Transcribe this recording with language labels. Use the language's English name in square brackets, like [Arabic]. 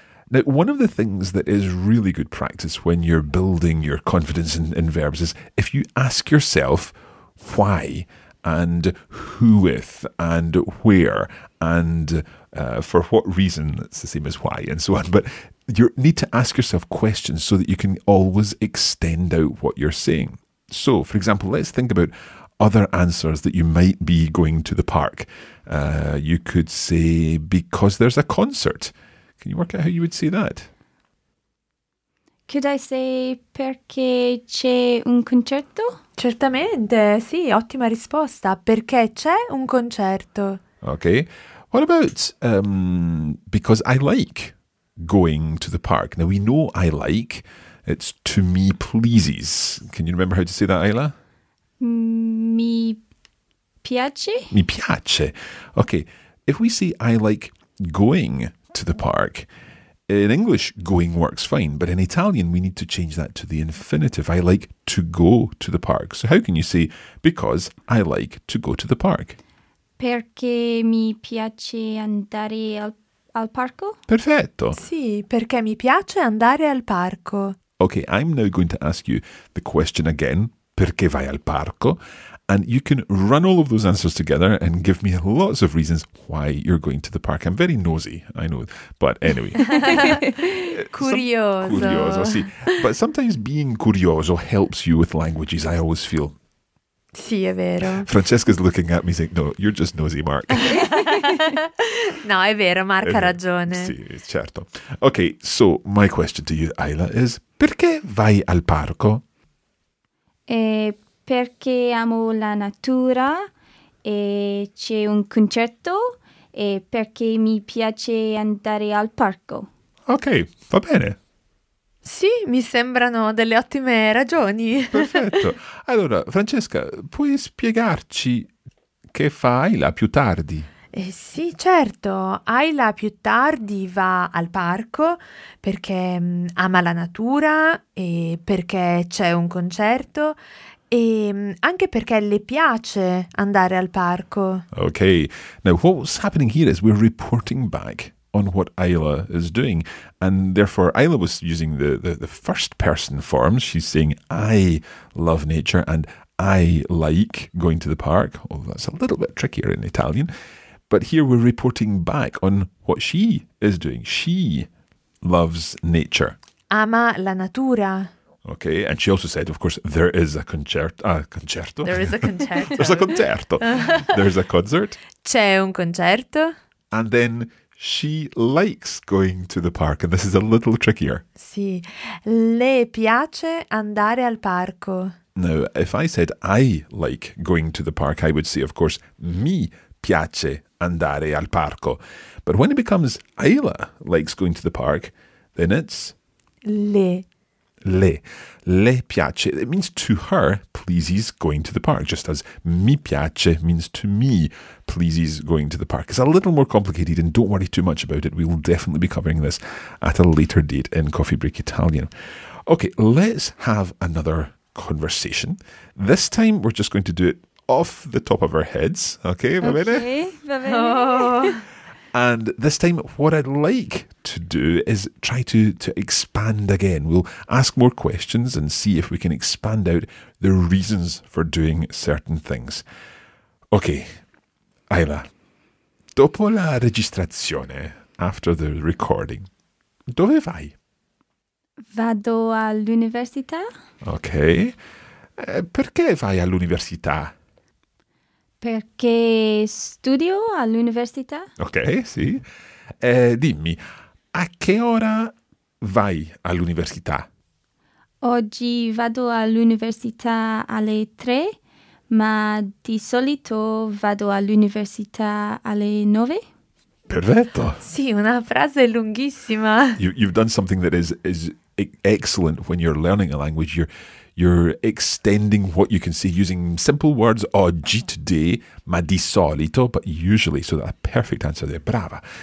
[English] Now, one of the things that is really good practice when you're building your confidence in verbs is if you ask yourself why and who with and where and for what reason, it's the same as why and so on, but you need to ask yourself questions so that you can always extend out what you're saying. So, for example, let's think about other answers that you might be going to the park. You could say, because there's a concert. Can you work out how you would say that? Could I say [Italian] perché c'è un concerto? Certamente, sì, ottima risposta. Perché c'è un concerto. [English] Okay. What about because I like going to the park? Now, we know I like. It's to me pleases. Can you remember how to say that, Ayla? [Italian] Mi piace. Mi piace. Okay. [English] If we say I like going to the park. In English, going works fine, but in Italian, we need to change that to the infinitive. I like to go to the park. So how can you say, because I like to go to the park? [Italian] Perché mi piace andare al parco? Perfetto. Sì, perché mi piace andare al parco. [English] Okay, I'm now going to ask you the question again, [Italian] perché vai al parco? [English] And you can run all of those answers together and give me lots of reasons why you're going to the park. I'm very nosy, I know, but anyway. [Italian] curioso, sì. [English] But sometimes being curioso helps you with languages, I always feel. [Italian] Sì, è vero. [English] Francesca's looking at me saying, no, you're just nosy, Mark. [Italian] No, è vero, Mark ha ragione. Sì, certo. [English] Okay, so my question to you, Ayla, is [Italian] perché vai al parco? Perché amo la natura e c'è un concerto e perché mi piace andare al parco. Ok, va bene. Sì, mi sembrano delle ottime ragioni. Perfetto. Allora, Francesca, puoi spiegarci che fa Ayla più tardi? Sì, certo. Ayla più tardi va al parco perché ama la natura e perché c'è un concerto e anche perché le piace andare al parco. Ok. [English] Now, what's happening here is we're reporting back on what Ayla is doing. And therefore, Ayla was using the first person form. She's saying, I love nature and I like going to the park. Although that's a little bit trickier in Italian. But here we're reporting back on what she is doing. She loves nature. [Italian] Ama la natura. [English] Okay, and she also said, of course, there is a concerto. There is a concerto. There's a concerto. There's a concert. [Italian] C'è un concerto. [English] And then she likes going to the park, and this is a little trickier. [Italian] Sì, le piace andare al parco. [English] Now, if I said I like going to the park, I would say, of course, [Italian] mi piace andare al parco. [English] But when it becomes Ayla likes going to the park, then it's... [Italian] Le piace. [English] It means to her pleases going to the park, just as [Italian] mi piace [English] means to me pleases going to the park. It's a little more complicated, and don't worry too much about it. We will definitely be covering this at a later date in Coffee Break Italian. Okay, let's have another conversation. This time we're just going to do it off the top of our heads. Okay, [Italian] va bene? Okay, va bene. Oh. [English] And this time, what I'd like to do is try to expand again. We'll ask more questions and see if we can expand out the reasons for doing certain things. [Italian] Okay, Ayla, dopo la registrazione, [English] after the recording, [Italian] dove vai? Vado all'università. Okay. Perché vai all'università? Perché studio all'università. Ok, sì. Dimmi, a che ora vai all'università? Oggi vado all'università alle 3, ma di solito vado all'università alle 9. Perfetto. Sì, una frase lunghissima. [English] You've done something that is excellent when you're learning a language. You're extending what you can say using simple words, oggi, today, [Italian] ma di solito, [English] but usually, so that a perfect answer there, brava.